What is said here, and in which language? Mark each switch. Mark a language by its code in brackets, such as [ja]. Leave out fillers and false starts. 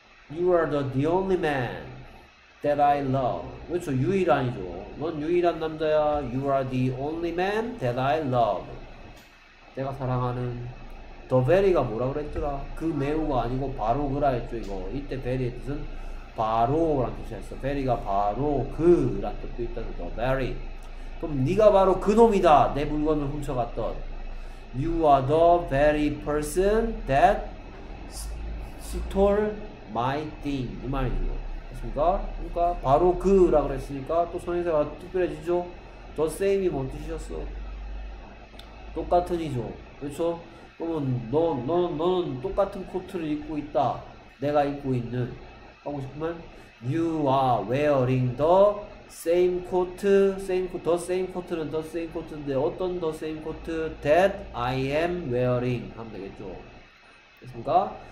[en] You are the only man that I love. [ko] 그렇죠? 유일한이죠. 넌 유일한 남자야. [en] You are the only man that I love. [ko] 내가 사랑하는 더 베리가 뭐라고 그랬더라? 그 매우가 아니고 바로 그라 했죠. 이거 이때 베리의 뜻은 바로란 뜻이었어. 베리가 바로 그란 뜻도 있다는 더 베리. 그럼 네가 바로 그놈이다. 내 물건을 훔쳐갔던. [en] You are the very person that stole my thing. [ko] 이 말이죠. 맞습니까? 그러니까 바로 그라고 그랬으니까 또 선행사가 특별해지죠. The same이 뭔 뜻이었어? 똑같은이죠. 그렇죠? 그러면 너는 똑같은 코트를 입고 있다. 내가 입고 있는 하고 싶으면 [en] you are wearing the same coat, same the same coat는 the same coat인데 어떤 the same coat that I am wearing [ko] 하면 되겠죠. 그렇습니까?